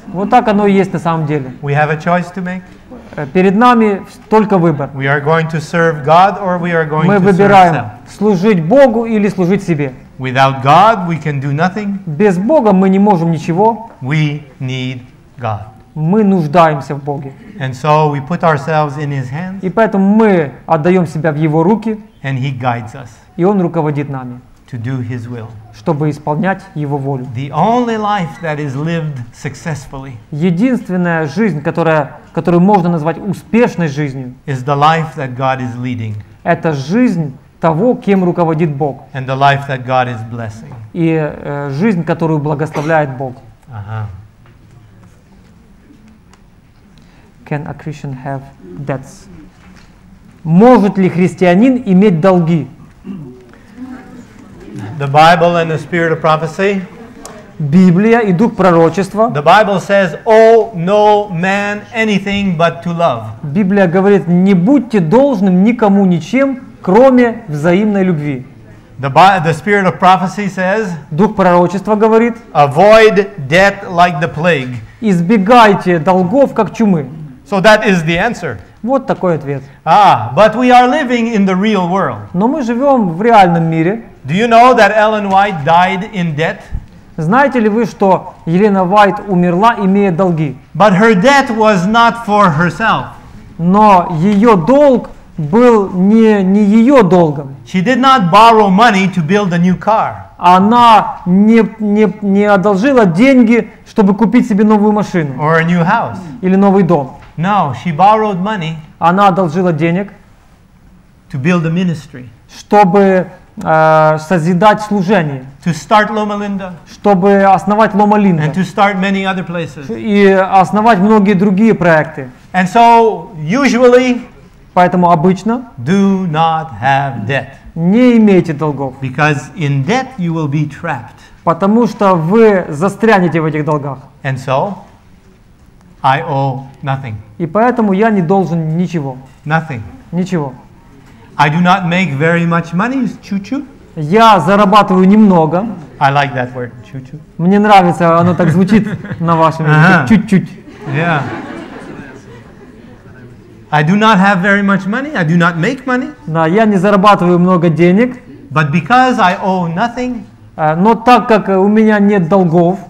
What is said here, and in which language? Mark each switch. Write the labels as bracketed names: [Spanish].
[Russian] Вот так оно и есть на самом деле. [English] We have a choice to make. [Russian] Перед нами только выбор. [English] We are going to serve God or we are going [Russian] Мы [English] to [Russian] выбираем [English] serve self. [Russian] Служить Богу или служить себе. [English] Without God we can do nothing. [Russian] Без Бога мы не можем ничего. [English] We need God. [Russian] Мы нуждаемся в Боге. [English] And so we put ourselves in His hands. [Russian] И поэтому мы отдаем себя в Его руки. [English] And He guides us. [Russian] И Он руководит нами. [English] To do His will. [Russian] Чтобы исполнять Его волю. [English] The only life that is lived successfully. [Russian] Единственная жизнь, которую можно назвать успешной жизнью. [English] Is the life that God is leading. [Russian] Это жизнь того, кем руководит Бог. [English] And the life that God is blessing. [Russian] И жизнь, которую благословляет Бог. Ага. [English] Can a Christian have debts? [Russian] Может ли христианин иметь долги? [English] The Bible and the spirit of prophecy. [Russian] Библия и дух пророчества. [English] The Bible says, "O no man anything but to love." [Russian] Библия говорит: не будьте должным никому ничем, кроме взаимной любви. [English] The spirit of prophecy says. [Russian] Дух пророчества говорит: [English] avoid debt like the plague. [Russian] Избегайте долгов как чумы. [English] So that is the answer. [Russian] Вот такой ответ. [English] Ah, but we are living in the real world. [Russian] Но мы живем в реальном мире. [English] Do you know that Ellen White died in debt? [Russian] Знаете ли вы, что Елена Уайт умерла, имея долги? [English] But her debt was not for herself. [Russian] Но ее долг был не ее долгом. [English] She did not borrow money to build a new car. [Russian] Она не одолжила деньги, чтобы купить себе новую машину. [English] Or a new house. [Russian] Или новый дом. [English] No, she borrowed money. [Russian] Она одолжила денег. [English] To build a ministry. [Russian] Чтобы созидать служение. [English] To start Loma Linda. [Russian] Чтобы основать Loma Linda. [English] And to start many other places. [Russian] И основать многие другие проекты. [English] And so, usually, [Russian] поэтому обычно, [English] do not have debt. [Russian] Не имейте долгов. [English] Because in debt you will be trapped. [Russian] Потому что вы застрянете в этих долгах. [English] And so, I owe nothing. [Russian] И поэтому я не должен ничего. [English] Nothing. [Russian] Ничего. [English] I do not make very much money, chuchu. [Russian] Я зарабатываю немного. [English] I like that word, chuchu. [Russian] Мне нравится, оно так звучит на вашем языке, uh-huh. Чуть-чуть. Yeah. [English] I do not have very much money. I do not make money. [Russian] Да, я не зарабатываю много денег. [English] But because I owe nothing. [Russian] Но так как у меня нет долгов.